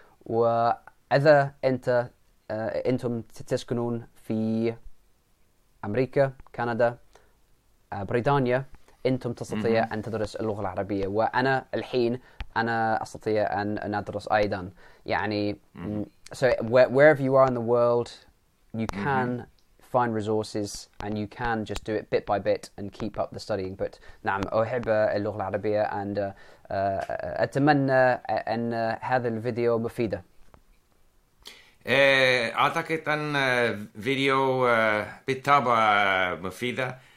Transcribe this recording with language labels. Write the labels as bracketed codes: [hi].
[ar] وإذا أنتم تسكنون في أمريكا كندا بريطانيا أنتم تستطيع أن تدرس اللغة العربية. وأنا الحين أنا أستطيع أن أدرس أيضا يعني. [en] So wherever you are in the world, you can find resources and you can just do it bit by bit and keep up the studying. [ar] But نعم أحب اللغة العربية and أتمنى أن هذا الفيديو مفيد. أعتقد أن فيديو بالطبع مفيد.